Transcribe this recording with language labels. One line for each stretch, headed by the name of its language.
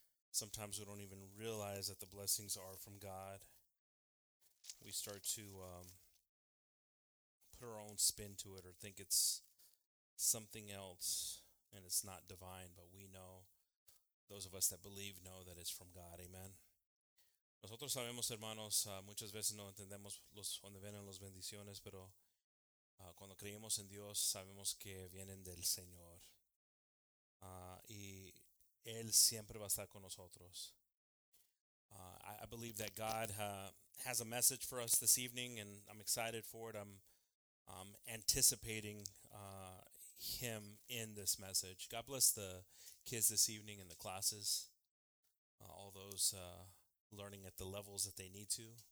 English: Sometimes we don't even realize that the blessings are from God. We start to put our own spin to it or think it's something else and it's not divine, but we know, those of us that believe know that it's from God. Amen.
Spanish: Nosotros sabemos, hermanos, muchas veces no entendemos donde vienen las bendiciones, pero cuando creemos en Dios, sabemos que vienen del Señor. Y Él siempre va a estar con nosotros.
English: I believe that God has a message for us this evening, and I'm excited for it. I'm anticipating Him in this message. God bless the kids this evening and the classes, all those learning at the levels that they need to.